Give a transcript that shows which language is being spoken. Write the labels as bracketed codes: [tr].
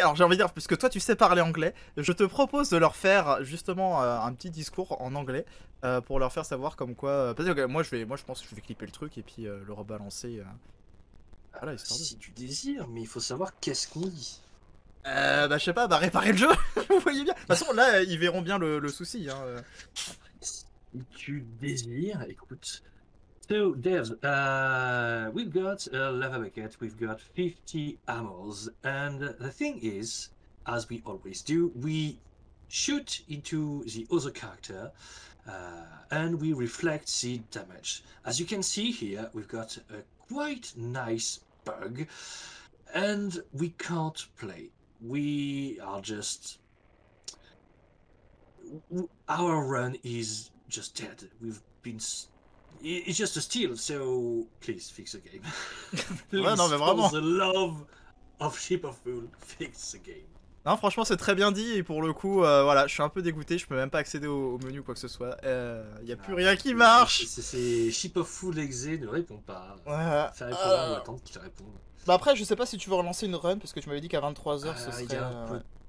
[fr] Alors j'ai envie de dire, puisque toi tu sais parler anglais, je te propose de leur faire justement un petit discours en anglais pour leur faire savoir comme quoi... Parce que okay, moi je pense que je vais clipper le truc et puis le rebalancer. Voilà, histoire si de... tu désires, mais il faut savoir qu'est-ce qu'on dit. Bah je sais pas, bah réparer le jeu, vous voyez bien. De toute façon, là, ils verront bien le souci. Hein. Si tu désires, écoute... [en] So, devs, we've got a lava bucket, we've got 50 ammos, and the thing is, as we always do, we shoot into the other character, and we reflect the damage. As you can see here, we've got a quite nice bug, and we can't play. We are just... Our run is just dead. We've been... It's just a steal, so please fix the game. [fr] Please, ouais, non, mais vraiment. [en] For the love of Ship of Fool, fix the game. [fr] Non, franchement, c'est très bien dit, et pour le coup, voilà, je suis un peu dégoûté, je peux même pas accéder au menu ou quoi que ce soit. Il n'y a plus rien qui marche. C'est Ship of Fool exé, ne répond pas. Ouais. Ça répond, on attend qu'il réponde. Bah, après, je sais pas si tu veux relancer une run, parce que tu m'avais dit qu'à 23h, ce serait.